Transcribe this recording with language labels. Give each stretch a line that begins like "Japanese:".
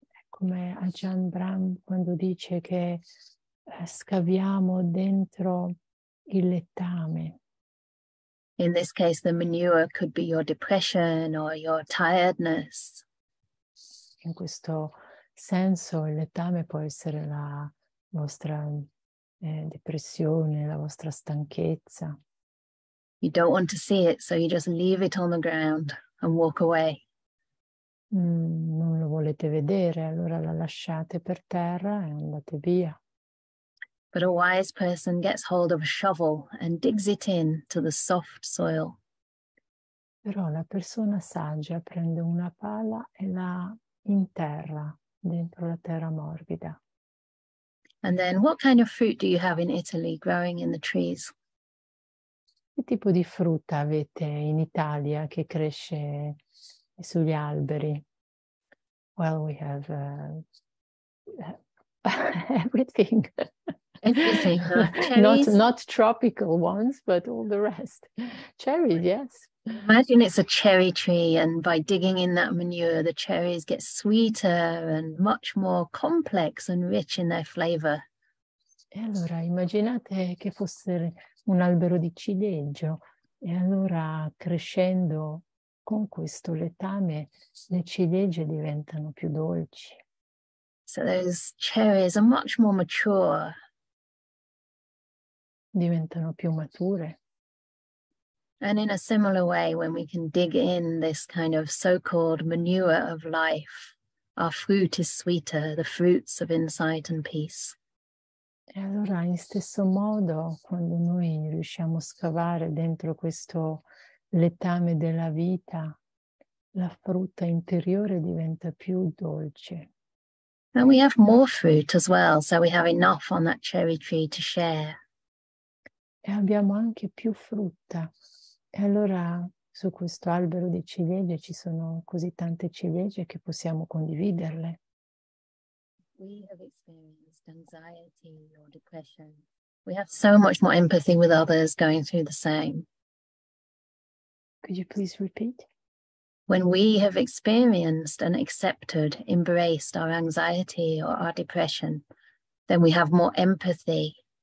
Italian: Come Ajahn Brahm quando dice che scaviamo dentro il lettame.
English: In this case, the manure could be your depression or your tiredness.
Italian: In questo senso, il lettame può essere la vostra depressione, la vostra stanchezza.
English: You don't want to see it, so you just leave it on the ground and walk away.
Italian: Non lo volete vedere, allora la lasciate per terra e andate via.
English: But a wise person gets hold of a shovel and digs it in to the soft soil.
Italian: Però la persona saggia prende una pala e la interra dentro la terra morbida.
English: And then, what kind of fruit do you have in Italy growing in the trees?
Italian: Che tipo di frutta avete in Italia che cresce sugli alberi?
English: Well, we have everything. Everything. Not tropical ones, but all the rest. Cherries, yes. Imagine it's a cherry tree, and by digging in that manure, the cherries get sweeter and much more complex and rich in their flavor.
Italian: E allora immaginate che fosse un albero di ciliegio, e allora crescendo con questo letame le ciliegie diventano più dolci.
English: So those cherries are much more mature.
Italian: Diventano più mature.
English: And in a similar way, when we can dig in this kind of so-called manure of life, our fruit is sweeter, the fruits of insight and peace.
Italian: E allora, in stesso modo, quando noi riusciamo a scavare dentro questo lettame della vita, la frutta interiore diventa più dolce.
English: And we have more fruit as well, so we have enough on that cherry tree to share.
Italian: E abbiamo anche più frutta. E allora, su questo albero di ciliegie ci sono così tante ciliegie che possiamo condividerle.
English: We have experienced anxiety or depression. We have so much more empathy with others going through the same. Could you please repeat? When we have experienced and accepted, embraced our anxiety or our depression, then we have more empathy